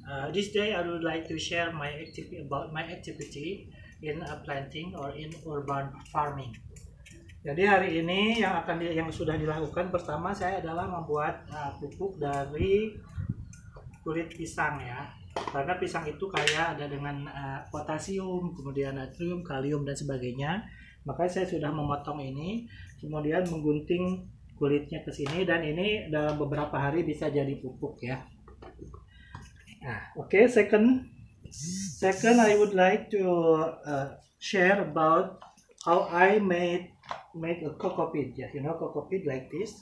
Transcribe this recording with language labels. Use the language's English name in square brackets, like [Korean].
[English] This day I would like to share my activity in planting or in urban farming. [Indonesian] Jadi hari ini yang sudah dilakukan pertama saya adalah membuat pupuk dari kulit pisang ya. Karena pisang itu kaya ada dengan potasium, kemudian natrium, kalium dan sebagainya. Maka saya sudah memotong ini, kemudian menggunting kulitnya ke sini dan ini dalam beberapa hari bisa jadi pupuk ya. [English] Nah, okay, second I would like to share about how I make a cocopeat, ya, yeah, you know cocopeat like this.